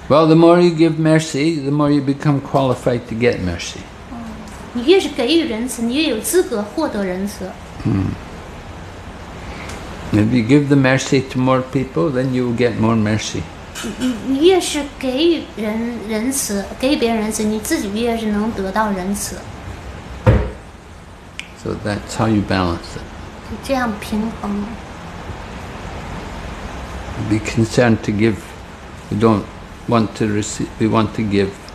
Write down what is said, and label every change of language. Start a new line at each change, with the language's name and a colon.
English: Well, the more you give mercy, the more you become qualified to get mercy.
Chinese: 你越是给予仁慈，你越有资格获得仁慈。
English: If you give the mercy to more people, then you will get more mercy.
Chinese: 你越是给予仁慈，给予别人仁慈，你自己越是能得到仁慈。
English: So that's how you balance it.
Chinese: 这样平衡。
English: Be concerned to give. We don't want to receive. We want to give.